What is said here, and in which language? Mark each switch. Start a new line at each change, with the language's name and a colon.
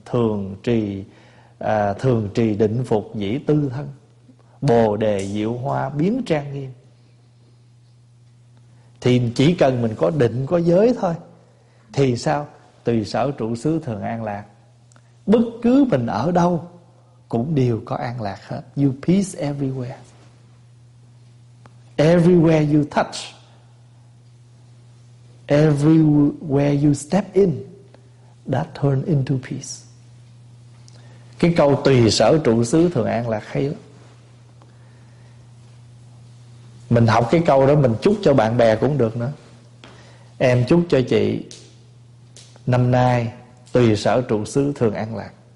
Vietnamese: Thường trì định phục dĩ tư thân, bồ đề diệu hoa biến trang nghiêm. Thì chỉ cần mình có định có giới thôi thì sao? Tùy sở trụ xứ thường an lạc. Bất cứ mình ở đâu cũng đều có an lạc hết.
English: You peace everywhere. Everywhere you touch, everywhere you step in, that turn into peace.
Vietnamese: Cái câu tùy sở trụ xứ thường an lạc hay lắm. Mình học cái câu đó mình chúc cho bạn bè cũng được nữa. Em chúc cho chị năm nay tùy sở trụ xứ thường an lạc.